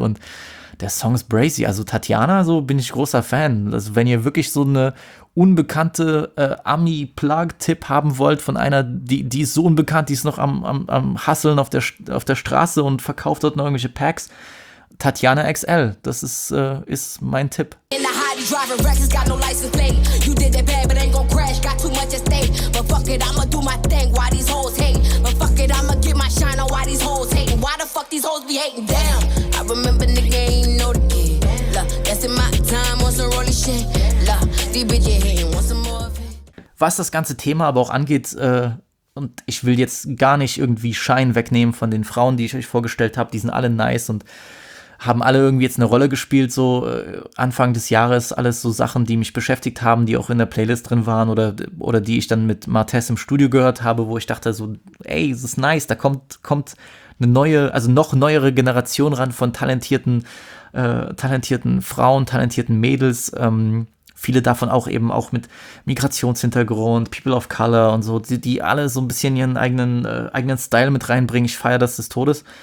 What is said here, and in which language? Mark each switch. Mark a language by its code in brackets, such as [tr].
[de] Und der Song ist brazy. Also Tatiana, so bin ich großer Fan. Also wenn ihr wirklich so eine unbekannte Ami-Plug-Tipp haben wollt von einer, die ist so unbekannt, die ist noch am Hustlen auf der Straße und verkauft dort noch irgendwelche Packs. Tatiana XL, das ist mein Tipp. [en] In the high, you driving wrecks, got no license plate. You did that bad, but ain't gon' crash, got too much at stake. But fuck it, I'ma do my thing, why these hoes hate? But fuck it, I'ma get my shine on why these hoes hate. Why the fuck these hoes be hating? Damn, I remember nigga ain't know the kid. Look, that's in my time, on some rolling shit. Look, these bitches hating, want some more of it. [de] Was das ganze Thema aber auch angeht, und ich will jetzt gar nicht irgendwie Schein wegnehmen von den Frauen, die ich euch vorgestellt habe, die sind alle nice und haben alle irgendwie jetzt eine Rolle gespielt, so Anfang des Jahres, alles so Sachen, die mich beschäftigt haben, die auch in der Playlist drin waren oder die ich dann mit Martez im Studio gehört habe, wo ich dachte so, ey, das ist nice, da kommt eine neue, also noch neuere Generation ran von talentierten Frauen, talentierten Mädels, viele davon auch eben auch mit Migrationshintergrund, People of Color und so, die alle so ein bisschen ihren eigenen Style mit reinbringen, ich feiere das des Todes.